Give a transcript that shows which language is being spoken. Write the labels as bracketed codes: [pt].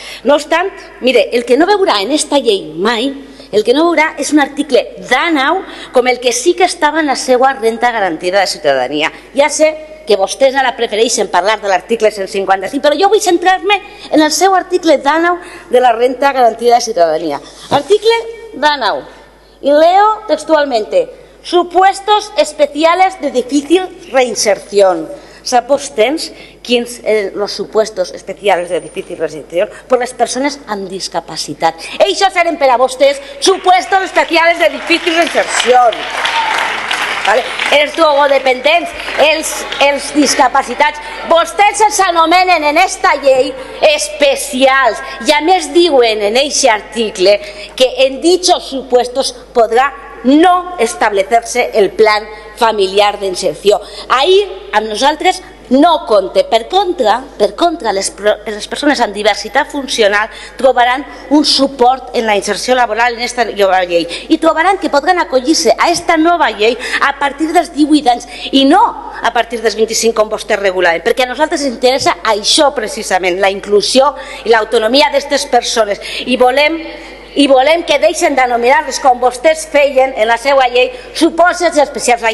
[ca] No obstant, mire, el que no veurà en aquesta llei mai, el que no veurà és un article d'anau com el que sí que estava en la seva renta garantida de ciutadania. Ja sé que vostès ara prefereixen parlar de l'article 155, però jo vull centrar-me en el seu article d'anau de la renta garantida de ciutadania. Article d'anau, i [es] leo textualmente: supuestos especiales de difícil reinserción. [ca] Sap vostès quins eren els [es] supuestos especiales de difícil reinserción? [ca] Per les persones amb discapacitat. Això seran per a vostès [es] supuestos especiales de difícil reinserción. [ca] Vale. Els drogodependents, els discapacitats, vostès els anomenen en esta llei especials, i a més diuen en aquest article que [es] en dichos supuestos [ca] podrà [es] no establecerse el plan familiar de inserción. [ca] Ahí a nosaltres no compte. Per contra, les persones amb diversitat funcional trobaran un suport en la inserció laboral en esta nova llei i trobaran que podran acollir-se a esta nova llei a partir dels 18 anys i no a partir dels 25 com vostè regula, perquè a nosaltres ens interessa això precisament, la inclusió i l'autonomia d'aquestes persones i volem que deixen d'anomenar-les com vostès feien en la seva llei supòsits especials.